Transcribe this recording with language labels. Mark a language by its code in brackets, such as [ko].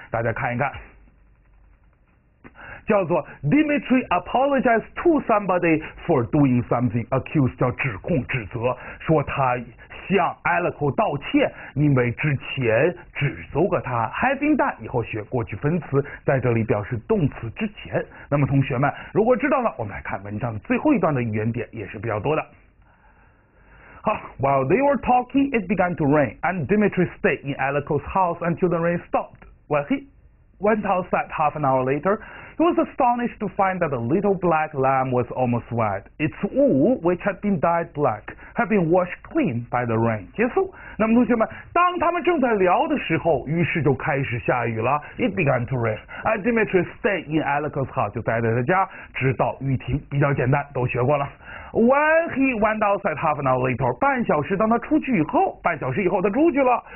[zh] 大家看一看，叫做 [en] Dimitri apologized to somebody for doing something， [zh] accused 叫指控指责，说他向 Aleko 道歉，因为之前指责过他。 having done 以后学过去分词，在这里表示动词之前。那么同学们如果知道了，我们来看文章的最后一段的语言点，也是比较多的。 [en] 好， while they were talking it began to rain and Dimitri stayed in Aleko's house until the rain stopped。 Went outside half an hour later, he was astonished to find that the little black lamb was almost white. Its wool, which had been dyed black, had been washed clean by the rain. [zh] 结束。那么同学们，当他们正在聊的时候，于是就开始下雨了。 [en] It began to rain. And Dimitri stayed in Aleko's house, [zh] 就待在他家，直到雨停。比较简单，都学过了。 [en] When he went outside half an hour later, [zh] 半小时，当他出去以后，半小时以后他出去了。